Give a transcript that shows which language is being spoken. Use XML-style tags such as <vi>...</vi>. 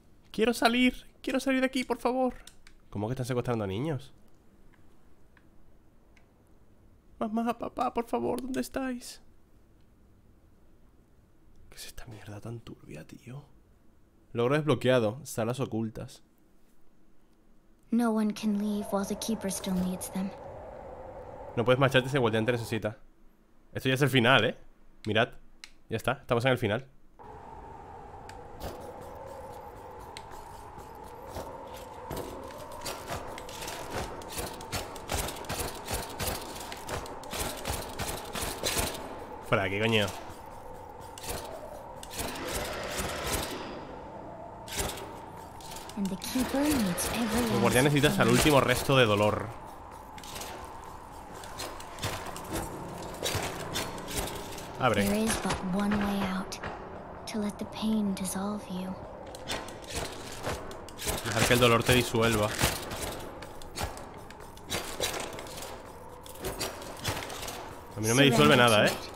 <es>Quiero salir de aquí, por favor. ¿Cómo que están secuestrando a niños? Mamá, papá, por favor, ¿dónde estáis? ¿Qué es esta mierda tan turbia, tío? Logro desbloqueado, salas ocultas.</es> <en>No one can leave while the keeper still needs them.</en> <es>No puedes marcharte si el guardián te necesita. Esto ya es el final, ¿eh? Mirad, ya está, estamos en el final. Fuera de aquí, coño. El guardián necesita al último resto de dolor. Abre.</es> <en>There is but one way out. To let the pain dissolve you.</en> <es>Dejar que el dolor te disuelva. A mí no me disuelve nada, ¿eh?</es>